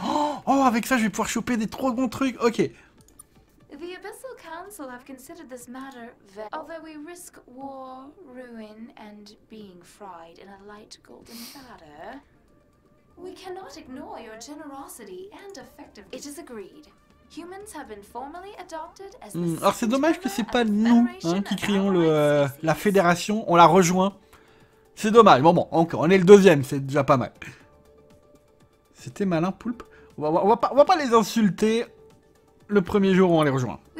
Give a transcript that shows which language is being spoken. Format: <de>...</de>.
<fr>Oh, avec ça, je vais pouvoir choper des trop bons trucs. Ok.</fr> <en>The Abyssal Council have considered this matter very... Although we risk war, ruin, and being fried in a light golden batter, we cannot ignore your generosity and effectiveness. It is agreed. Humans have been formally adopted as the...</en> <fr>Alors c'est dommage que c'est pas nous hein, qui créons la fédération, on l'a rejoint. C'est dommage, bon, encore, on est le deuxième, c'est déjà pas mal. C'était malin, Poulpe. On va pas les insulter le premier jour où on les rejoint.</fr>